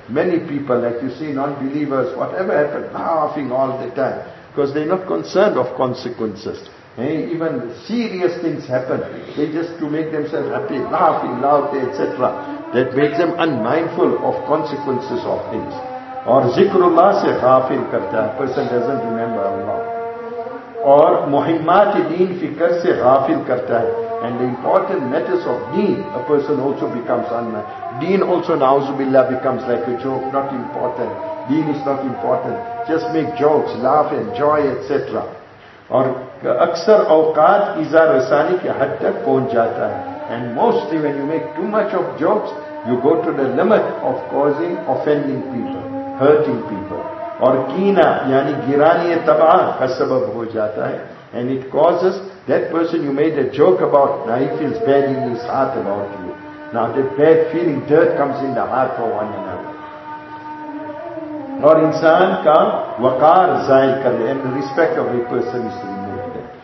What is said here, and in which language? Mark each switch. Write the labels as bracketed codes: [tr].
[en] Many people, like you see non-believers, whatever happened, laughing all the time. Because they're not concerned of consequences. Even serious things happen, they just to make themselves happy, laughing loudly, etc. That makes them unmindful of consequences of things. [ur] اور ذکر اللہ سے غافل کرتا ہے. [en] Person doesn't remember Allah. [ur] اور مہمات دین فکر سے غافل کرتا ہے. [en] And the important matters of deen, a person also becomes unmindful. Deen also, na'uzu billah, becomes like a joke, not important. Deen is not important. Just make jokes, laugh, enjoy, etc. [ur] اور اکثر اوقات اذا رسانی کے حد تک پہنچ جاتا ہے. [en] And mostly when you make too much of jokes, you go to the limit of causing offending people, hurting people. [ur] اور کینہ یعنی گرانی طبعہ کا سبب ہو جاتا ہے. [en] And it causes that person you made a joke about, now he feels bad in his heart about you. Now the bad feeling, dirt comes in the heart for one another. [ur] اور انسان کا وقار زائل کر دے, [en] and respect of a person is removed.